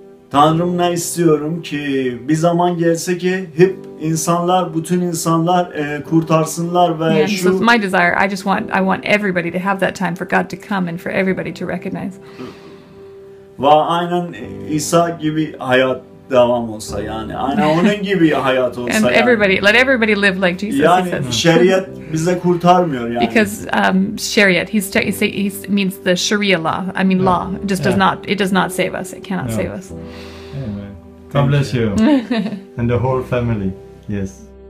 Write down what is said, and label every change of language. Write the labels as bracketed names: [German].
[Turkish] Tanrım'la istiyorum ki bir zaman gelse ki hep insanlar, bütün insanlar kurtarsınlar ve [English] yeah, [Turkish] şu... [English] So my desire, I want everybody to have that time for God to come and for everybody to recognize. [Turkish] Ve aynen İsa gibi hayat devam olsa yani. Aynen onun gibi hayat olsa [English] and [Turkish] yani. [English] Everybody, let everybody live like Jesus. [Turkish] Yani şeriat bize kurtarmıyor yani. [English] Because şeriat, he means the Sharia law. I mean law. It just does not save us. It cannot save us. God bless you and the whole family. Yes.